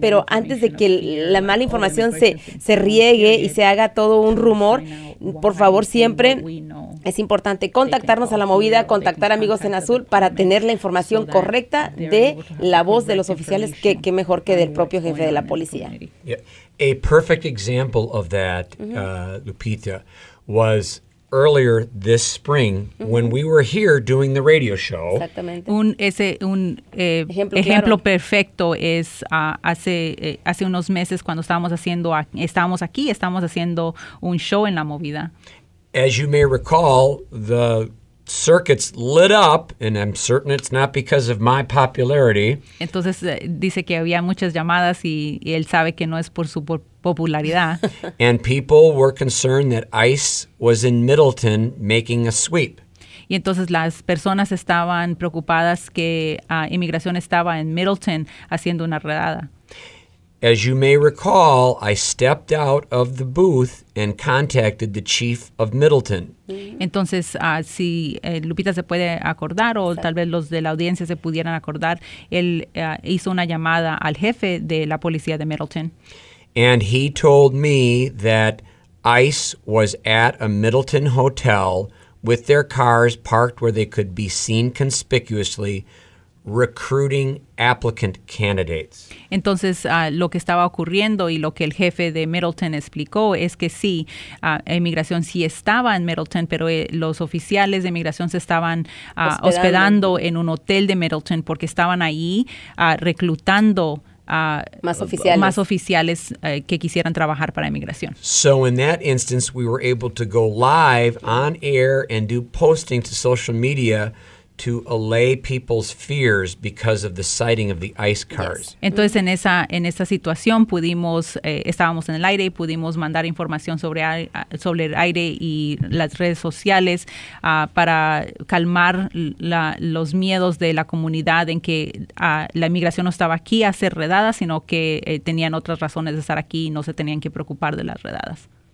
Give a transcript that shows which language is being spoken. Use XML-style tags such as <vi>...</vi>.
<es>Pero antes de que la mala información se riegue y se haga todo un rumor, por favor, siempre es importante contactarnos a La Movida, contactar Amigos en Azul para tener la información correcta de la voz de los oficiales, que mejor que del propio jefe de la policía. Yeah.</es> <en>A perfect example of that, Lupita, was earlier this spring when we were here doing the radio show.</en> <es>Exactamente. Ejemplo claro. Perfecto es hace unos meses cuando estábamos haciendo un show en La Movida.</es> <en>As you may recall, the circuits lit up, and I'm certain it's not because of my popularity.</en> <es>Entonces dice que había muchas llamadas y él sabe que no es por su popularidad.</es> <en>And people were concerned that ICE was in Middleton making a sweep.</en> <es>Y entonces las personas estaban preocupadas que inmigración estaba en Middleton haciendo una redada.</es> <en>As you may recall, I stepped out of the booth and contacted the chief of Middleton.</en> <es>Entonces, si Lupita se puede acordar o tal vez los de la audiencia se pudieran acordar, él hizo una llamada al jefe de la policía de Middleton.</es> <en>And he told me that ICE was at a Middleton hotel with their cars parked where they could be seen conspicuously, recruiting applicant candidates.</en> <es>Entonces, lo que estaba ocurriendo y lo que el jefe de Middleton explicó es que sí, inmigración sí estaba en Middleton, pero los oficiales de inmigración se estaban hospedando en un hotel de Middleton porque estaban ahí reclutando más oficiales que quisieran trabajar para inmigración.</es> <en>So in that instance, we were able to go live on air and do posting to social media to allay people's fears because of the sighting of the ICE cars. Yes.</en> <es>Entonces, en esa situación pudimos, estábamos en el aire y pudimos mandar información sobre el aire y las redes sociales para calmar los miedos de la comunidad en que la inmigración no estaba aquí a ser redada, sino que tenían otras razones de estar aquí y no se tenían que preocupar de las redadas.</es>